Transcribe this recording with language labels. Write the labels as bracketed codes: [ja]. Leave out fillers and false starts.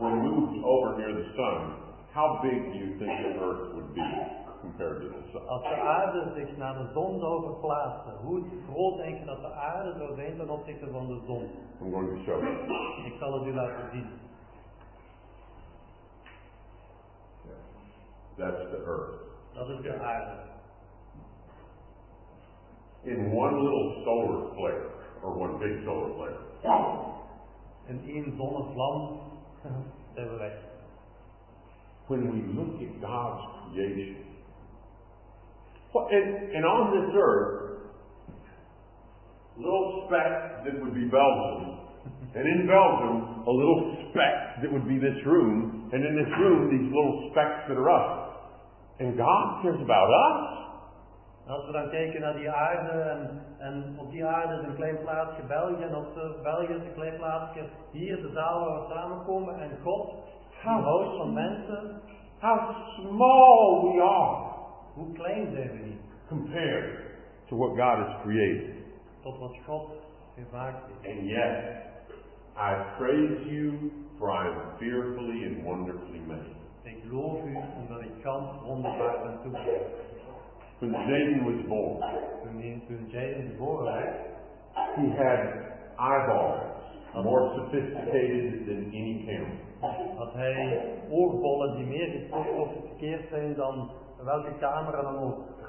[en] when moved over near the sun, how big do you think the earth would be compared to the sun? [nl] Als de aarde zich naar de zon zou verplaatsen, hoe groot denk je dat de aarde zou zijn ten opzichte van de zon? [en] I'm going to show you. [nl] Ik zal het u laten zien. [en] That's the earth. [nl] Dat is de aarde. [en] In one little solar flare, or one big solar flare. [nl] In één zonnevlam zijn we weg. [en] When we look at God's creation, and on this earth, little speck that would be Belgium, and in Belgium, a little speck that would be this room, and in this room, these little specks that are us. And God cares about us. [nl] Als we dan kijken naar die aarde en op die aarde is een klein plaatsje België en op de België is een klein plaatsje hier de zaal waar we samenkomen en God houdt van mensen. [en] How small we are. [nl] Hoe klein zijn we niet? [en] Compared to what God has created. [nl] Tot wat God gemaakt heeft. [en] And yet, I praise you for I am fearfully and wonderfully made. [nl] Ik loof u omdat ik gans wonderbaar ben toegevoegd. [en] When Jaden was born, he had eyeballs more sophisticated than any camera. [nl] Had hij oogbollen die meer gesofisticeerd zijn dan welke camera dan ook.